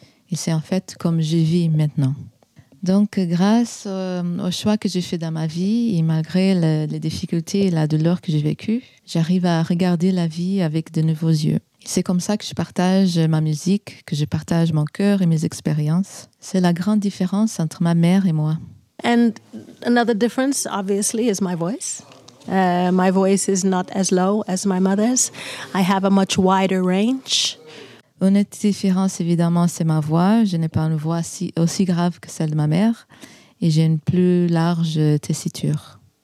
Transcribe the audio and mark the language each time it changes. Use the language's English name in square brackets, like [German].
[French] Et c'est en fait comme je vis maintenant. Donc grâce au choix que j'ai fait dans ma vie, et malgré les difficultés et la douleur que j'ai vécue, j'arrive à regarder la vie avec de nouveaux yeux. Et c'est comme ça que je partage ma musique, que je partage mon cœur et mes expériences. C'est la grande différence entre ma mère et moi. [English] And another difference, obviously, is my voice. My voice is not as low as my mother's. I have a much wider range. [French] Une autre différence, évidemment, c'est ma voix. Je n'ai pas une voix aussi grave que celle de ma mère, et j'ai une plus large tessiture.